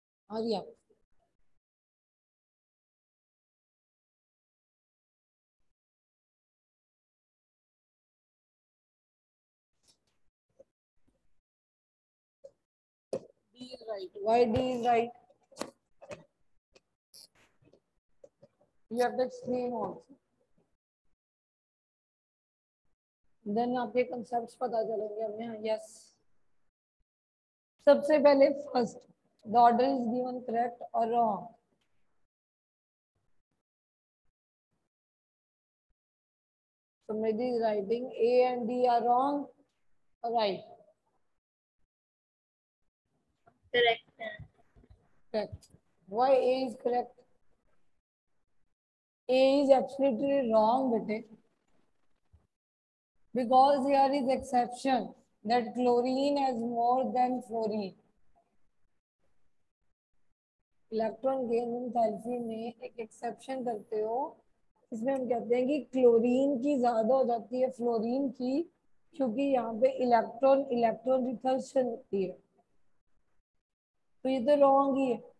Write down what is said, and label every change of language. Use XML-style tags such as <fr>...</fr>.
<en>Arya, D is right. Why D is right? You have to explain also.</en> <hi>Then आपके concept पता चलेंगे हमें। Yes, सबसे पहले first,</hi> <en>the order is given correct</en> <hi>और wrong.</hi> <en>Samriddhi is writing A and D are wrong और right, correct correct. Why A is correct? A is absolutely wrong बेटे, Because here is exception that chlorine has more than fluorine.</en> <hi>Electron gain enthalpy में एक exception करते हो, इसमें हम कहते हैं कि क्लोरीन की ज्यादा हो जाती है फ्लोरीन की, क्योंकि यहाँ पे इलेक्ट्रॉन इलेक्ट्रॉन रिपल्शन होती है, तो ये तो रॉन्ग ही है।</hi>